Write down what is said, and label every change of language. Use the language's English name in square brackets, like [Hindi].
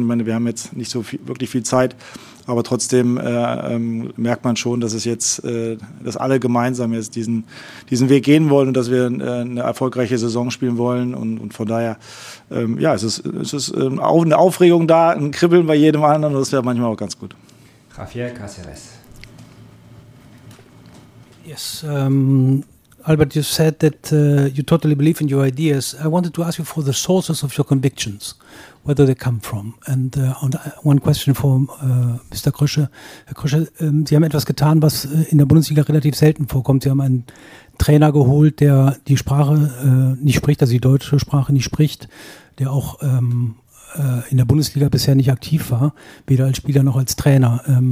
[German] Ich meine, wir haben jetzt nicht so viel, wirklich viel Zeit, aber trotzdem merkt man schon, dass es jetzt, dass alle gemeinsam jetzt diesen Weg gehen wollen und dass wir eine erfolgreiche Saison spielen wollen. Und von daher, es ist eine Aufregung da, ein Kribbeln bei jedem anderen, das wäre manchmal auch ganz gut. Javier Caceres. [English] Yes, Albert, you said that you totally believe in your ideas. I wanted to ask you for the sources of your convictions, where do they come from? And one question for Mr. Krösche. [German] Herr Krösche, Sie haben etwas getan, was in der Bundesliga relativ selten vorkommt. Sie haben einen Trainer geholt, der die Sprache nicht spricht, also die deutsche Sprache nicht spricht, der auch in der Bundesliga bisher nicht aktiv war, weder als Spieler noch als Trainer.